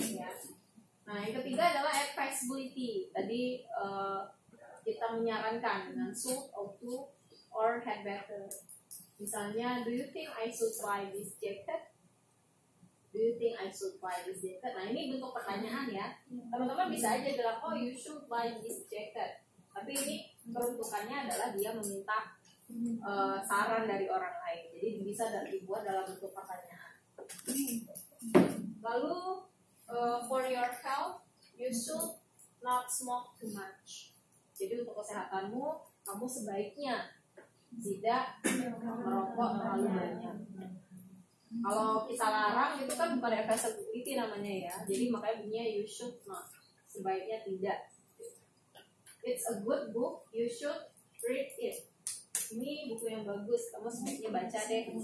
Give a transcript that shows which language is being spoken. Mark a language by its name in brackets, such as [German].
[Indonesian] ya. Nah, yang ketiga adalah advisability. Tadi kita menyarankan dengan should or do or had better. Misalnya, [English] do you think I should try this jacket? Do you think I should buy this jacket? [Indonesian] Nah, ini bentuk pertanyaan ya. Teman-teman bisa aja bilang, oh, [English] you should buy this jacket. [Indonesian] Tapi ini peruntukannya adalah dia meminta saran dari orang lain. Jadi bisa dibuat dalam bentuk pertanyaan. Lalu, [English] for your health, you should not smoke too much. [Indonesian] Jadi untuk kesehatanmu, kamu sebaiknya tidak merokok terlalu banyak. Kalau kita larang itu kan bukan accessibility namanya ya. Jadi makanya bunyinya you should not, sebaiknya tidak. [English] It's a good book, you should read it. [Indonesian] Ini buku yang bagus, kamu sebaiknya baca deh.